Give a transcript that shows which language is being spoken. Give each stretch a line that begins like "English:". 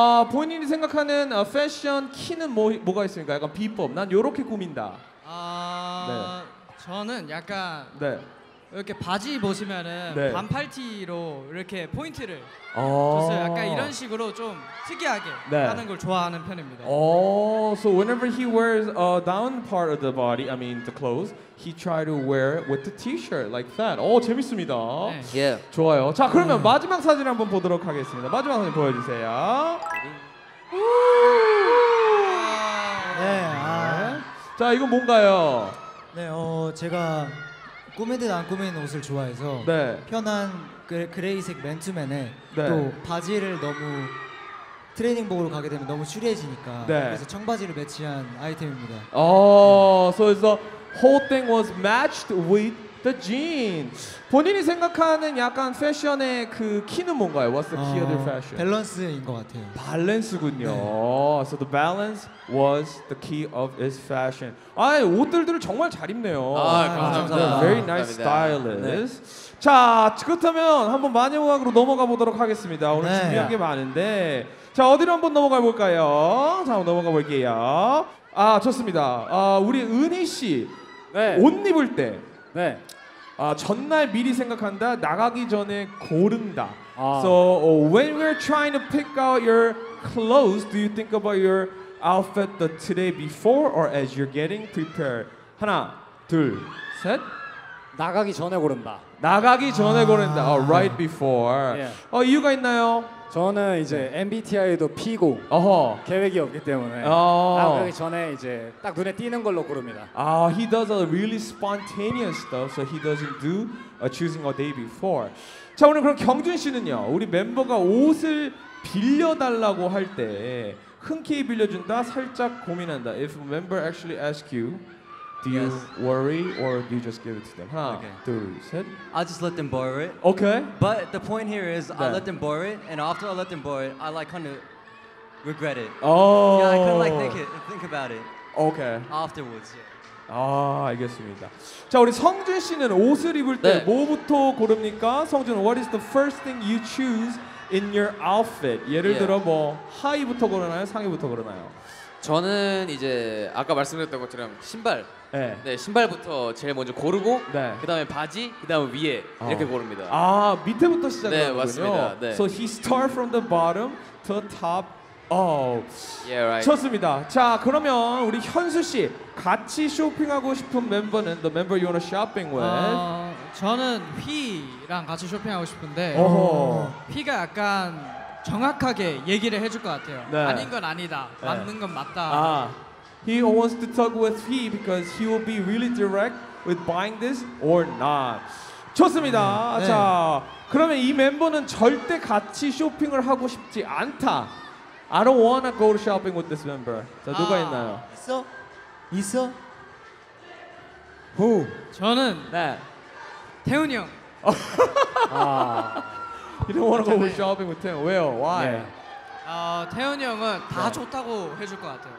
Korean: 본인이 생각하는 패션 키는 뭐가 있습니까? 약간 비법. 난 이렇게 꾸민다. 네. 저는 약간 네. 이렇게 바지 보시면은 네. 반팔 티로 이렇게 포인트를. 그래서 약간 이런 식으로 좀 특이하게 네. 하는 걸 좋아하는 편입니다.
English: So whenever he wears a down part of the body, I mean the clothes, he try to wear it with the t-shirt like that.
Korean: 재밌습니다. 네. Yeah. 좋아요. 자, 그러면 마지막 사진 한번 보도록 하겠습니다. 마지막 사진 보여주세요. 네. 자, 이건 뭔가요? 네, 제가 꾸민 듯 안 꾸민 옷을 좋아해서 네. 편한 그레이색 맨투맨에 네. 또 바지를 너무 트레이닝복으로 가게 되면 너무 추리해지니까 네. 그래서 청바지를 매치한 아이템입니다.
English: 어, so the whole thing was matched with the jeans.
Korean: 본인이 생각하는 약간 패션의 그 키는 뭔가요?
English: What's the key of the fashion?
Korean: 밸런스인 것 같아요. 밸런스군요. 네.
English: So the balance was the key of his fashion.
Korean: 아니, 옷들을 정말 잘 입네요. 아, 감사합니다.
English: Very nice stylist. 네.
Korean: 자, 그렇다면 한번 마녀음악으로 넘어가 보도록 하겠습니다. 오늘 네. 준비한 게 많은데 자, 어디로 한번 넘어가 볼까요? 자, 한번 넘어가 볼게요. 아, 좋습니다. 아, 우리 은희 씨 네. 옷 입을 때 네. 아, 전날 미리 생각한다. 나가기 전에 고른다. 아.
English: So, when we're trying to pick out your clothes, do you think about your outfit the today before or as you're getting prepared?
Korean: 하나, 둘, 셋. 나가기 전에 고른다. 나가기 전에 아. 고른다.
English: Oh, right before. Yeah.
Korean: 어, 이유가 있나요? 저는 이제 MBTI도 P고 어허. 계획이 없기 때문에 어. 나가기 전에 이제 딱 눈에 띄는 걸로 고릅니다.
English: 아, he does a really spontaneous stuff, so he doesn't do choosing a day before.
Korean: 자, 오늘 그럼 경준 씨는요, 우리 멤버가 옷을 빌려달라고 할 때 흔쾌히 빌려준다, 살짝 고민한다.
English: If a member actually asks you, do you yes. worry or do you just give it to them? Huh? Okay. 둘, 셋. I just let them borrow it. Okay. But the point here is 네. I let them borrow it, and after I let them borrow it, I like kind of regret it. Oh. Yeah, I kind of like think it, think about it. Okay. Afterwards.
Korean: 아, 알겠습니다. 자, 우리 성준 씨는 옷을 입을 때 네. 뭐부터 고릅니까?
English: 성준, what is the first thing you choose in your outfit?
Korean: 예를 yeah. 들어 뭐 하의부터 고르나요? 상의부터 고르나요? 저는 이제 아까 말씀드렸던 것처럼 신발 네, 네 신발부터 제일 먼저 고르고 네. 그 다음에 바지, 그 다음에 위에 어. 이렇게 고릅니다. 아, 밑에부터 시작하는 거군요. 네, 맞습니다. 네.
English: So he start from the bottom to top up. Yeah, right.
Korean: 좋습니다. 자, 그러면 우리 현수 씨 같이 쇼핑하고 싶은 멤버는
English: the member you wanna shopping with?
Korean: 저는 휘랑 같이 쇼핑하고 싶은데 어허. 휘가 약간 정확하게 얘기를 해줄 것 같아요. 네. 아닌 건 아니다. 네. 맞는 건 맞다.
English: 아, he wants to talk with he because he will be really direct with buying this or not.
Korean: 좋습니다. 네. 자, 그러면 이 멤버는 절대 같이 쇼핑을 하고 싶지 않다.
English: I don't wanna go shopping with this member.
Korean: 자, 누가 아, 있나요? 있어? 있어?
English: Who?
Korean: 저는 네. 태훈이 형. 아.
English: You don't want to go with shopping with him.
Korean: 왜요?
English: Why?
Korean: 태훈이 형은 다 좋다고 해줄 것 같아요.